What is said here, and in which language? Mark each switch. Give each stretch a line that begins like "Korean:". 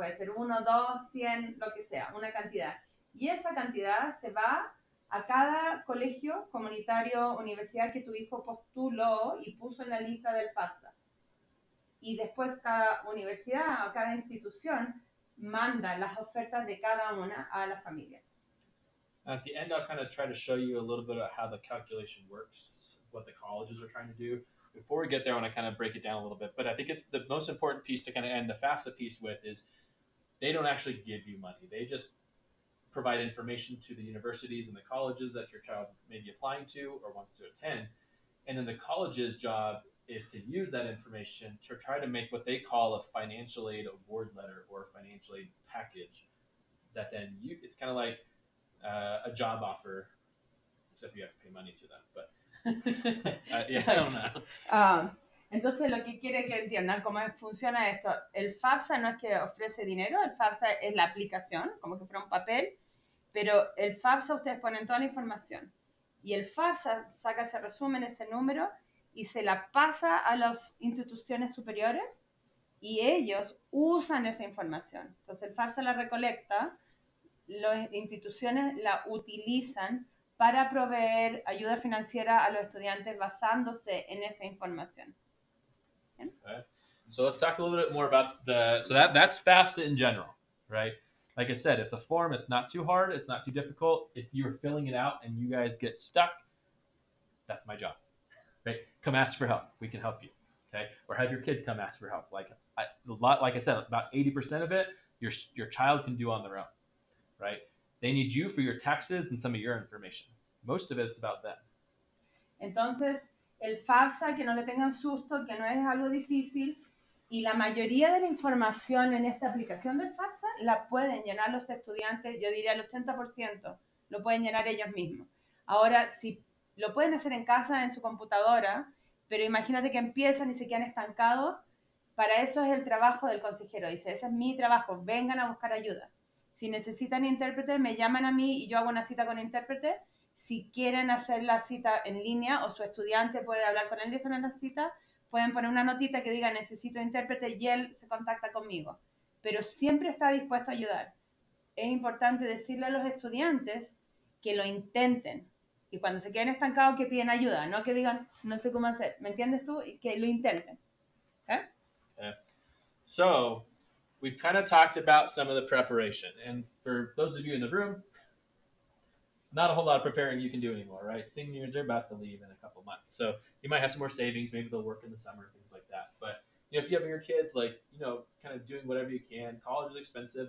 Spanish: Puede ser 1, 2, 100, lo que sea, una cantidad. Y esa cantidad se va a cada colegio comunitario, universidad que tu hijo postuló y puso en la lista del FAFSA. Y después cada universidad o cada institución manda las ofertas de cada una a la familia.
English: At the end, I'll kind of try to show you a little bit of how the calculation works, what the colleges are trying to do. Before we get there, I want to kind of break it down a little bit. But I think it's the most important piece to kind of end the FAFSA piece with is they don't actually give you money. They just provide information to the universities and the colleges that your child may be applying to or wants to attend. And then the college's job is to use that information to try to make what they call a financial aid award letter or a financial aid package that then you, it's kind of like a job offer, except you have to pay money to them, but yeah, I don't know.
Spanish: Entonces, lo que quiere que entiendan cómo funciona esto, el FAFSA no es que ofrece dinero, el FAFSA es la aplicación, como que fuera un papel, pero el FAFSA ustedes ponen toda la información. Y el FAFSA saca ese resumen, ese número, y se la pasa a las instituciones superiores y ellos usan esa información. Entonces, el FAFSA la recolecta, las instituciones la utilizan para proveer ayuda financiera a los estudiantes basándose en esa información.
English: Okay. So let's talk a little bit more about the, so that's FAFSA in general, right? Like I said, it's a form. It's not too hard. It's not too difficult. If you're filling it out and you guys get stuck, that's my job, right? Come ask for help. We can help you. Okay. Or have your kid come ask for help. Like like I said, about 80% of it, your child can do on their own, right? They need you for your taxes and some of your information. Most of it, it's about them.
Spanish: Entonces, el FAFSA, que no le tengan susto, que no es algo difícil. Y la mayoría de la información en esta aplicación del FAFSA la pueden llenar los estudiantes, yo diría el 80%, lo pueden llenar ellos mismos. Ahora, si lo pueden hacer en casa, en su computadora, pero imagínate que empiezan y se quedan estancados, para eso es el trabajo del consejero. Dice, ese es mi trabajo, vengan a buscar ayuda. Si necesitan intérprete, me llaman a mí y yo hago una cita con intérprete. Si quieren hacer la cita en línea o su estudiante puede hablar con él y eso no necesita, pueden poner una notita que diga necesito intérprete y él se contacta conmigo. Pero siempre está dispuesto a ayudar. Es importante decirle a los estudiantes que lo intenten. Y cuando se queden estancados que piden ayuda, no que digan no sé cómo hacer. ¿Me entiendes tú? Que lo intenten. ¿Okay?
English: So, we've kind of talked about some of the preparation. And for those of you in the room, not a whole lot of preparing you can do anymore, right? Seniors are about to leave in a couple months. So you might have some more savings. Maybe they'll work in the summer, things like that. But you know, if you have your kids, like, you know, kind of doing whatever you can, college is expensive.